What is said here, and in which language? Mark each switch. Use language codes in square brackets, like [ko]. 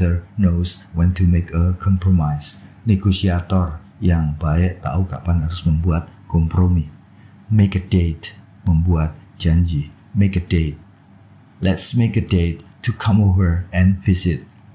[en] A good negotiator knows when to make a compromise. [id] Negosiator yang baik tahu kapan harus membuat kompromi. [en] Make a date. [id] Membuat janji. [en] Make a date. Let's make a date to come over and visit.